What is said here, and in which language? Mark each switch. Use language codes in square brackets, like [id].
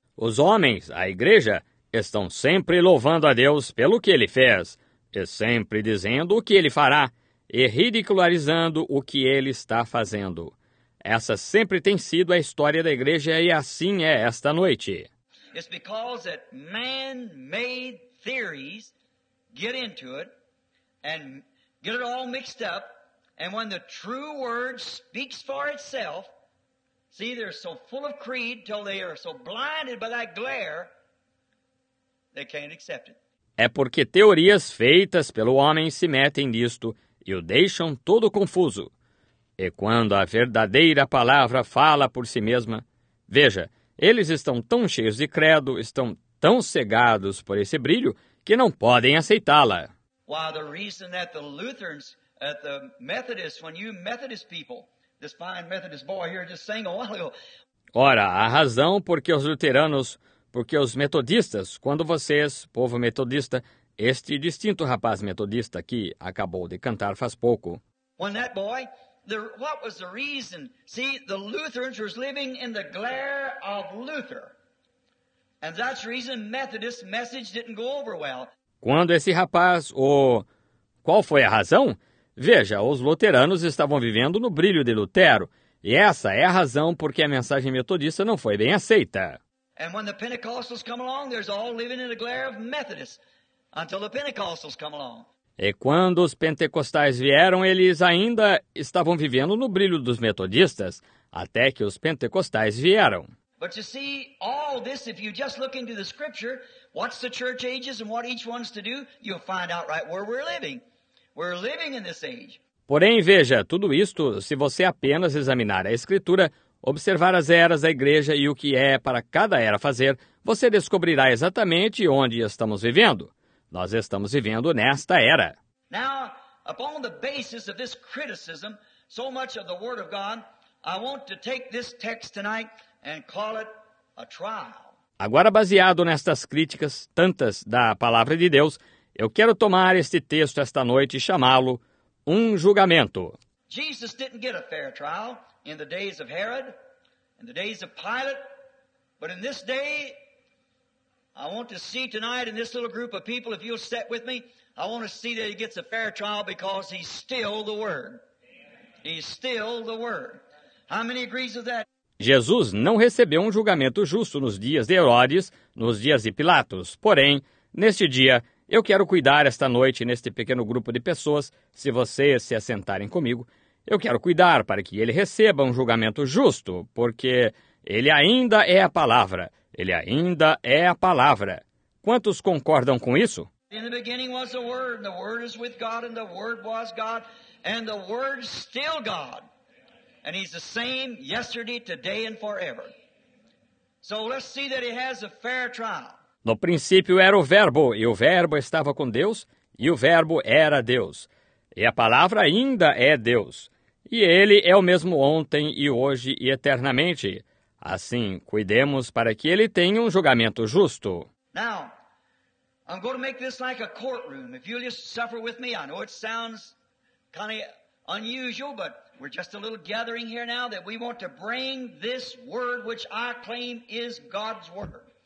[pt] Os homens, a igreja, estão sempre louvando a Deus pelo que ele fez. E sempre dizendo o que ele fará, e ridicularizando o que ele está fazendo. Essa sempre tem sido a história da igreja e assim é esta noite. [en] It's because that man-made theories get into it and get it all mixed up, and when the true word speaks for itself, See, they're so full of creed till they are so blinded by that glare, they can't accept it. [pt] É porque teorias feitas pelo homem se metem nisto e o deixam todo confuso. E quando a verdadeira palavra fala por si mesma, veja, eles estão tão cheios de credo, estão tão cegados por esse brilho, que não podem aceitá-la. [en] Why, the reason that the Lutherans, at the Methodists, when you Methodist people, this fine Methodist boy here just sang a while ago. [pt] Ora, a razão porque os luteranos, porque os metodistas, quando vocês, povo metodista, este distinto rapaz metodista aqui acabou de cantar faz pouco. [en] When that boy, what was the reason? See, the Lutherans were living in the glare of Luther. And that's the reason Methodist message didn't go over well. [pt] Quando esse rapaz, qual foi a razão? Veja, os luteranos estavam vivendo no brilho de Lutero. E essa é a razão porque a mensagem metodista não foi bem aceita. [en] And when the Pentecostals come along, there's all living in the glare of Methodists until the Pentecostals come along. [pt] E quando os pentecostais vieram, eles ainda estavam vivendo no brilho dos metodistas, até que os pentecostais vieram. [en] But you see, all this, if you just look into the scripture, what's the church ages and what each one's to do, you'll find out right where we're living. We're living in this age. [pt] Porém, veja, tudo isto, se você apenas examinar a escritura, observar as eras da igreja e o que é para cada era fazer, você descobrirá exatamente onde estamos vivendo. Nós estamos vivendo nesta era. [en] Now, upon the basis of this criticism, so much of the Word of God, I want to take this text tonight and call it a trial. [pt] Agora, baseado nestas críticas, tantas da Palavra de Deus, eu quero tomar este texto esta noite e chamá-lo um julgamento. [en] Jesus didn't get a fair trial in the days of Herod, in the days of Pilate, but in this day, I want to see tonight in this little group of people, if you'll sit with me, I want to see that he gets a fair trial because he's still the Word. He's still the Word. How many agrees with that? [pt] Jesus não recebeu um julgamento justo nos dias de Herodes, nos dias de Pilatos. Porém, neste dia, eu quero cuidar esta noite neste pequeno grupo de pessoas, se vocês se assentarem comigo, eu quero cuidar para que ele receba um julgamento justo, porque ele ainda é a palavra. Ele ainda é a palavra. Quantos concordam com isso? [en] In the beginning was the Word, and the Word is with God, and the Word was God, and the Word still God. And he's the same yesterday, today, and forever. So let's see that he has a fair trial. [pt] No princípio era o Verbo, e o Verbo estava com Deus, e o Verbo era Deus. E a palavra ainda é Deus. E ele é o mesmo ontem, e hoje, e eternamente. Assim, cuidemos para que ele tenha um julgamento justo. [en] Now, I'm going to make this like a courtroom. If you'll just suffer with me, I know it sounds kind of unusual, but we're just a little gathering here now that we want to bring this word, which I claim is God's word.